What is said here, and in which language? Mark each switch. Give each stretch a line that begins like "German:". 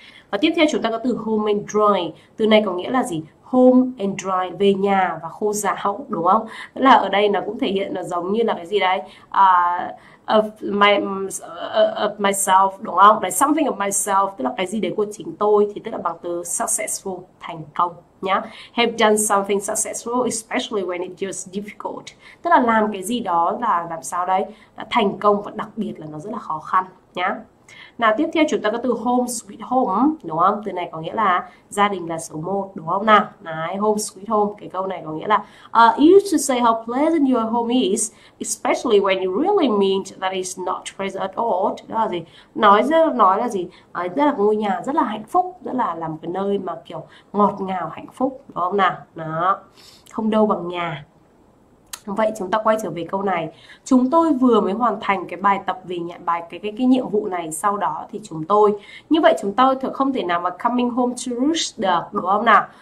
Vietnamese: Và tiếp theo chúng ta có từ home and dry. Từ này có nghĩa là gì? Home and dry, về nhà và khô ráo, đúng không? Tức là ở đây nó cũng thể hiện là giống như là cái gì đấy?
English: Of myself,
Vietnamese: đúng không?
English: Like something of myself,
Vietnamese: tức là cái gì đấy của chính tôi, thì tức là bằng từ successful, thành công nhá.
English: Have done something successful, especially when it's just difficult.
Vietnamese: Tức là làm cái gì đó là làm sao đấy, là thành công, và đặc biệt là nó rất là khó khăn nhá. Nào, tiếp theo chúng ta có từ home sweet home, đúng không? Từ này có nghĩa là gia đình là số 1, đúng không nào?
English: Đấy, home sweet home,
Vietnamese: cái câu này có nghĩa là
English: you should say how pleasant your home is, especially when you really mean that it's not pleasant at all.
Vietnamese: Đó là gì? Nói là gì? Đấy, rất là ngôi nhà rất là hạnh phúc, rất là làm cái nơi mà kiểu ngọt ngào hạnh phúc, đúng không nào? Đó. Không đâu bằng nhà. Vậy chúng ta quay trở về câu này. Chúng tôi vừa mới hoàn thành cái bài tập về nhận bài cái nhiệm vụ này, sau đó thì chúng tôi, như vậy chúng tôi thật không thể nào mà coming home to roost được, đúng không nào?